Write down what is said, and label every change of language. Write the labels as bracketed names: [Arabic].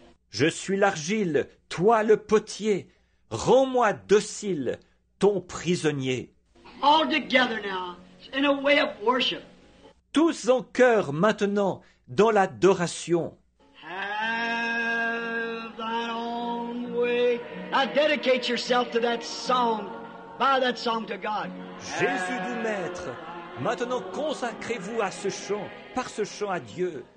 [French] Je suis l'argile, toi le potier. Rends-moi docile, ton prisonnier. [English] All together now, in a way of worship. [French] Tous en cœur maintenant, dans l'adoration. [English] Have thine own way. Now dedicate yourself to that song, by that song to God. [French] Jésus du Maître, maintenant consacrez-vous à ce chant, par ce chant à Dieu.